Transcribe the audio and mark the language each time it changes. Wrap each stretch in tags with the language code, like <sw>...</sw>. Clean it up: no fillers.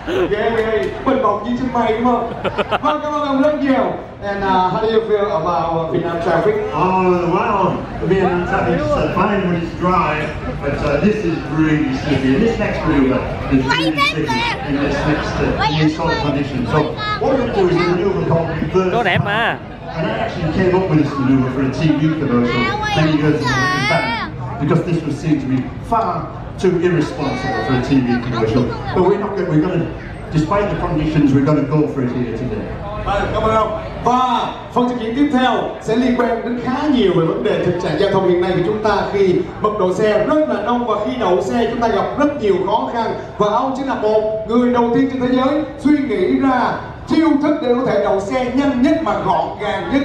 <vi>Ghê, mình bọc như chân mày đúng không? Vâng, cảm ơn rất nhiều.</vi> <en>And how do you feel about Vietnam traffic? Oh, well, Vietnam traffic is fine when it's dry, but this is really sticky. This next river is really sticky in this next new soil condition. So what we do is a maneuver called reverse.</en> <vi>Nó đẹp mà.</vi> <en>And I actually came up with this maneuver for a TV commercial many years ago. In fact, because this was seen to be far too irresponsible for a TV commercial. But we're not going. Despite the conditions, we're going to go for it here today.</en> <vi>Cảm ơn ông. Và phần thực hiện tiếp theo sẽ liên quan đến khá nhiều về vấn đề thực trạng giao thông hiện nay của chúng ta, khi mật độ xe rất là đông và khi đậu xe chúng ta gặp rất nhiều khó khăn. Và ông chính là một người đầu tiên trên thế giới suy nghĩ ra chiêu thức để có thể đậu xe nhanh nhất mà gọn gàng nhất.</vi>